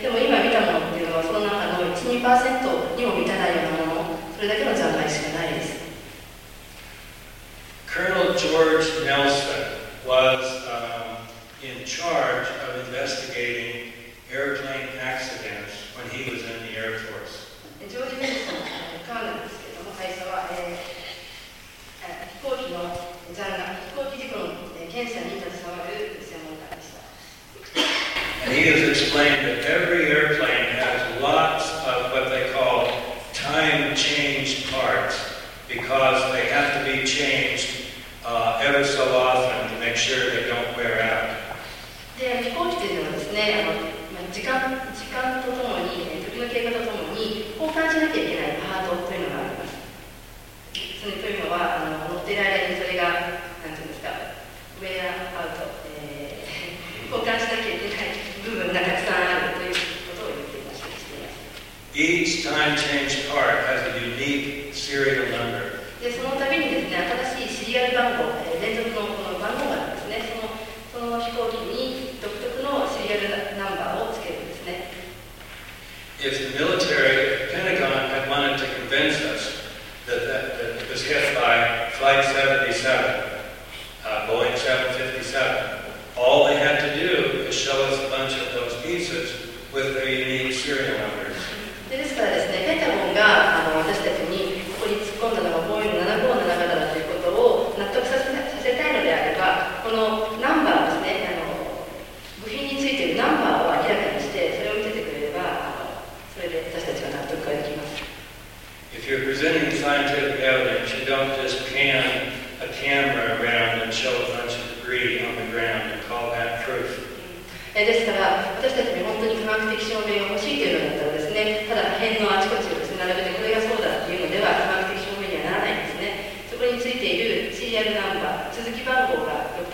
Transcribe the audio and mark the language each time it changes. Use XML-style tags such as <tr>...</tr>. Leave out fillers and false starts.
<ja>でも今見たものっていうのはその中の 1-2% にも満たないようなもの、それだけの残骸しかないです。</ja> <en>Colonel George Nelson was、in charge of investigating airplane accidents when he was in the Air Force.</en> <ja>ジョージ・ネルソン、カーネルですけども、大佐は、飛行機の残骸、飛行機事故の検査に携わる専門家でした。</ja> <en>And he has explained that every airplane has lots of what they call time change parts because they have to be changed、ever so often to make sure they don't wear out.</en> <ja>で、飛行機というのはですね、時間とともに、時の経過とともに交換しなきゃいけないパートというのがあります。そのというのは乗っている間にそれが何て言うんですか、ウェアアウト、交換しなきゃいけない部分がたくさんあるということを言っていました。</ja> <en>Each time change part has a unique serial number.</en> <ja>で、その度にですね、新しいシリアル番号、連続のこの番号があるんですね。その飛行機に独特のシリアルナンバーをつけるんですね。</ja> <en>If the military, Pentagon had wanted to convince us that that was hit by Flight 77, Boeing 757, all they had to do is show us a bunch of those pieces with their unique serial numbers.</en> <ja>ですからですね、ペタゴンが私たちにここに突っ込んだのがボーイング757だということを納得させたいのであれば、このナンバーですね、部品についているナンバーを明らかにして、それを見せてくれれば、それで私たちは納得ができます。</ja> <en>If you're presenting scientific evidence, you don't just pan a camera around and show a bunch of debris on the ground and call that proof.</en> <ja>ですから、私たちに本当に科学的証明が欲しいというのだったらですね、ただ辺のあちこちを並べてこれがそうだというのでは、科学的証明にはならないんですね。そこについているシリアルナンバー、続き番号が、</ja>